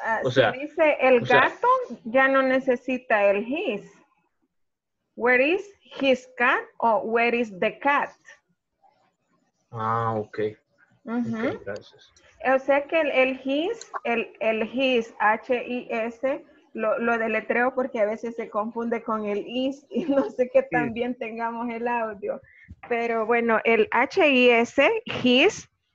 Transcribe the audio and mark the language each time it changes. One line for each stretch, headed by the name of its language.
Spanish: Si dice el gato, ya no necesita el his.
English: Where is his cat o where is the cat?
Spanish: Ok. Gracias. O sea que el his, H-I-S, lo deletreo porque a veces se confunde con el is y no sé que también tengamos el audio. Pero bueno, el H-I-S, his,